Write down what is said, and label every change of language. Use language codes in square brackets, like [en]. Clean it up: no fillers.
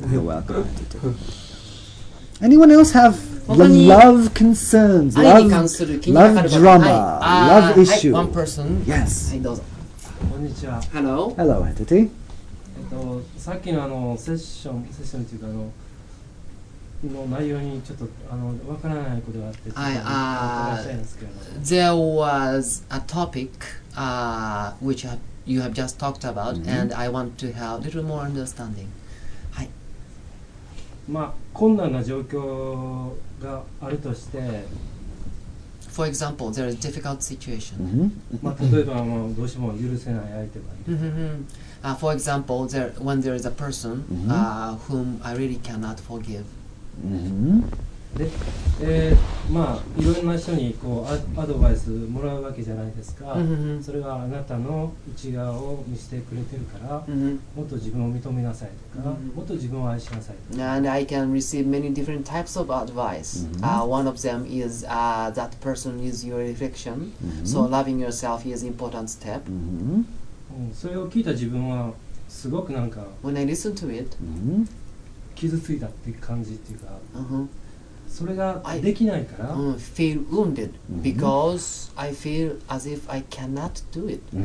[en] You're welcome, entity. Anyone else have love concerns, love drama, love issue? One person. Yes. [ja] はい、どうぞ。 [en] Hello. Hello, entity. [ja] さっきのセッションというかの内容にちょっとわからないことがあって、 [en] There was a topic which you have just talked about, mm-hmm. and I want to have a little more understanding. [ja] まあ、困難な状況があるとして [en] For example, there is a difficult situation、 [ja] まあ、例えば、まあ、どうしても許せない相手がい [en] る For example, when there is a person、whom I really cannot forgive、 [ja] で、まあ、いろんな人にこうアドバイスもらうわけじゃないですかそれがあなたの内側を見せてくれてるからもっと自分を認めなさいとかもっと自分を愛しなさいとか [en] And I can receive many different types of advice One of them is that person is your reflection So loving yourself is an important step [ja] それを聞いた自分はすごくなんか [en] When I listen to it [ja] 傷ついたって感じっていうかそれができないから [en] I feel wounded because I feel as if I cannot do it.